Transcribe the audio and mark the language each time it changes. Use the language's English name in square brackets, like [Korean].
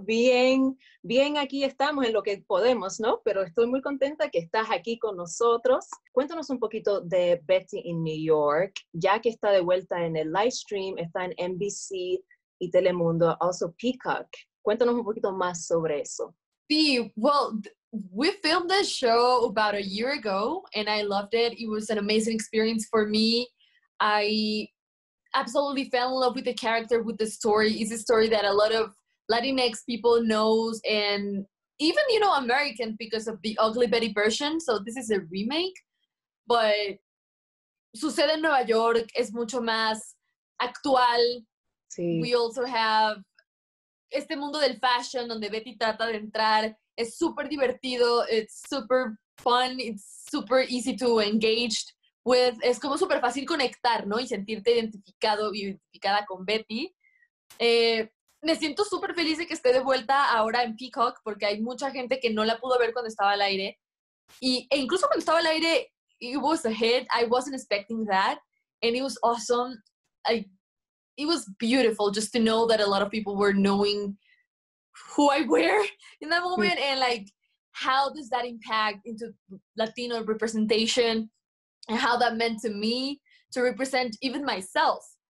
[Spanish] Bien, bien, aquí estamos en lo que podemos, ¿no? Pero estoy muy contenta que estás aquí con nosotros. Cuéntanos un poquito de Betty in New York, ya que está de vuelta en el live stream, está en NBC y Telemundo, also Peacock. Cuéntanos un poquito más sobre eso. [English] Sí, we filmed this show about a year ago, and I loved it. It was an amazing experience for me. I absolutely fell in love with the character, with the story. It's a story that a lot of Latinx people knows, and even, you know, American, because of the Ugly Betty version. So this is a remake. But [Spanish] sucede en Nueva York es mucho más actual. Sí. [English] We also have [Spanish] este mundo del fashion, donde Betty trata de entrar. [English] It's [Spanish] super divertido, [English] it's super fun, it's super easy to engage with. [Spanish] Es como super fácil conectar, ¿no? Y sentirte identificado, identificada con Betty. Me siento super feliz de que esté de vuelta ahora en Peacock, porque hay mucha gente que no la pudo ver cuando estaba al aire. E incluso cuando estaba al aire, [English] it was a hit. I wasn't expecting that. And it was awesome. It was beautiful just to know that a lot of people were knowing who I wear in that moment, and like, how does that impact into Latino representation and how that meant to me to represent even myself.